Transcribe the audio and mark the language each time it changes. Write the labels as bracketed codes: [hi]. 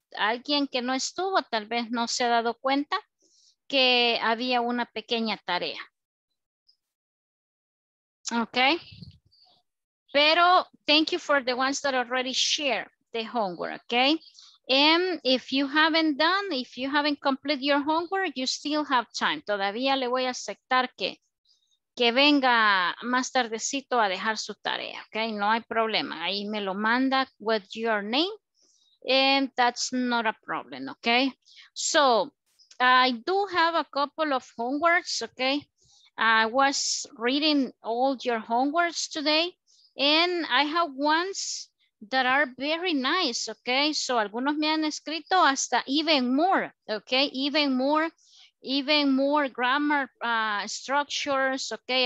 [es] Alguien que no estuvo, tal vez no se ha dado cuenta que había una pequeña tarea. [en] Okay? Pero thank you for the ones that already shared the homework, okay? And if you haven't done, if you haven't completed your homework, you still have time. [es] Todavía le voy a aceptar que que venga más tardecito a dejar su tarea, okay? No hay problema. Ahí me lo manda [en] with your name. And that's not a problem, okay? So, I do have a couple of homeworks, okay? I was reading all your homeworks today. And I have ones that are very nice, okay? [es] So, algunos me han escrito hasta [en] even more, [es] okay? [en] Even more grammar structures, okay?